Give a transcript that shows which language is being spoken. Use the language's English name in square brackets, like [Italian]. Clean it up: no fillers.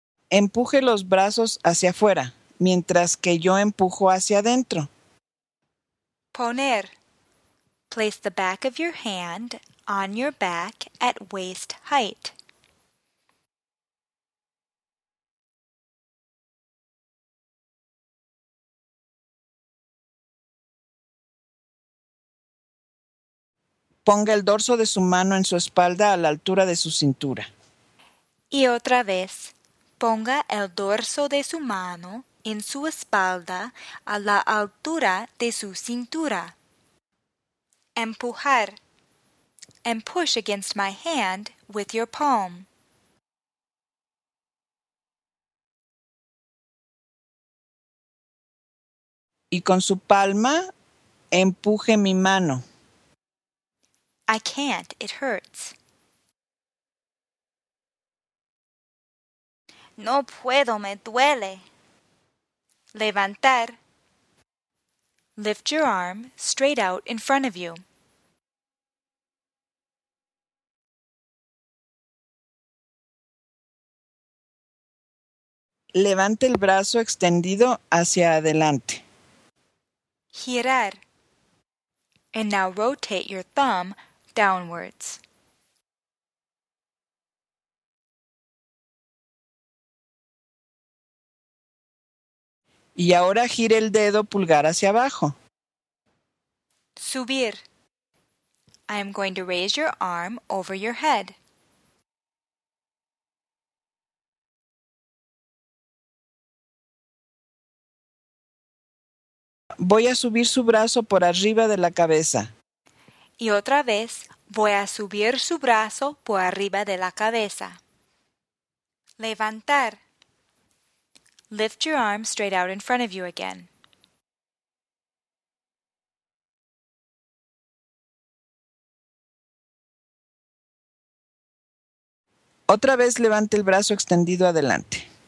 [Spanish] Empuje los brazos hacia afuera, mientras que yo empujo hacia adentro. Poner. [English] Place the back of your hand on your back at waist height. [Spanish] Ponga el dorso de su mano en su espalda a la altura de su cintura. Y otra vez, ponga el dorso de su mano en su espalda a la altura de su cintura. Empujar. [English] And push against my hand with your palm. [Spanish] Y con su palma, empuje mi mano. [English] I can't, it hurts. [Spanish] No puedo, me duele. Levantar. [English] Lift your arm straight out in front of you. [Spanish] Levante el brazo extendido hacia adelante. Girar. [English] And now rotate your thumb downwards. [Spanish] Y ahora gire el dedo pulgar hacia abajo. Subir. [English] I am going to raise your arm over your head. [Spanish] Voy a subir su brazo por arriba de la cabeza. Y otra vez, voy a subir su brazo por arriba de la cabeza. Levantar. [English] Lift your arm straight out in front of you again. [Spanish] Otra vez levante el brazo extendido adelante.